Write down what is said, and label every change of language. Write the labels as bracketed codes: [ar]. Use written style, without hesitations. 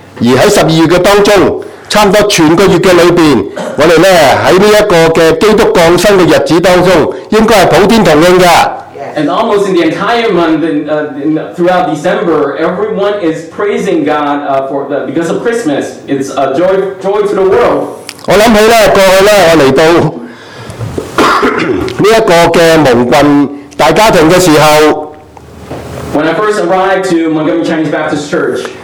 [yue] 而喺十二月嘅当中，差唔多全个月嘅里边，我哋咧喺呢一个嘅基督降生嘅日子当中，应该系普天同庆噶。 [en] And almost in the entire month, throughout December, everyone is praising God because of Christmas. It's a joy to the world. [yue] 我想起咧，过去咧，我嚟到呢一个嘅蒙郡大家庭嘅时候 [en] ，When I first arrived to Montgomery Chinese Baptist Church,